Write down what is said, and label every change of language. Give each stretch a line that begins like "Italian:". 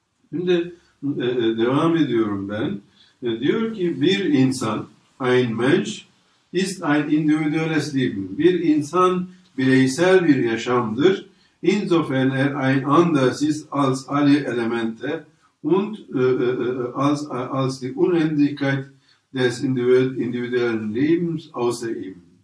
Turkish: Şimdi devam ediyorum ben. Diyor ki bir insan,
German: ein Mensch ist ein individuelles Leben.
Turkish: Bir insan bireysel bir yaşamdır.
German: Insofern er ein anders ist als alle Elemente und als die Unendlichkeit des individuellen Lebens außer ihm.